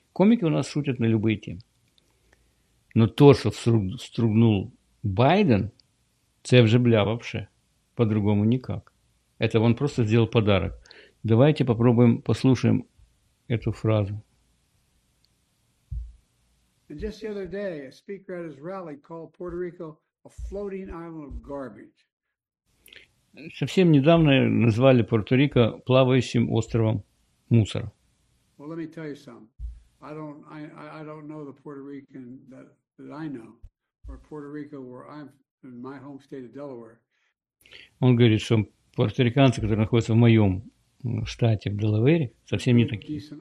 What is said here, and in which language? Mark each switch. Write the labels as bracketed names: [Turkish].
[Russian] Комики у нас шутят на любые темы. Но то, что стругнул Байден, [Ukrainian] це вже [Russian] бля вообще. По-другому никак. Это он просто сделал подарок. Давайте попробуем, послушаем эту фразу. [English] And just the other day, a speaker at his rally called Puerto Rico a floating island of garbage. [Russian] Совсем недавно назвали Пуэрто-Рико плавающим островом мусора. [English] Well, let me tell you something. I don't know the Puerto Rican that I know, or Puerto Rico where I'm in my home state of Delaware. [Russian] Он говорит, что пуэрториканцы, которые находятся в моем штате, в Делавере, совсем не такие.